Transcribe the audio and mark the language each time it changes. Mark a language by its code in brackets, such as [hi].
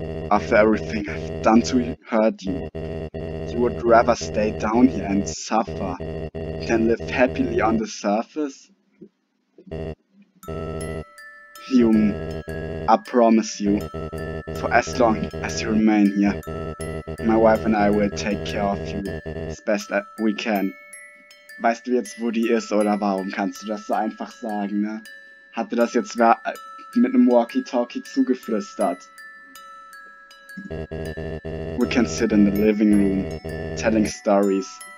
[en] After everything I've done to hurt you, you would rather stay down here and suffer than live happily on the surface? Hume, I promise you, for as long as you remain here, my wife and I will take care of you as best that we can. [de] Weißt du jetzt, wo die ist, oder warum kannst du das so einfach sagen, ne? Hatte das jetzt mit einem Walkie-Talkie zugeflüstert? [en] We can sit in the living room, telling stories.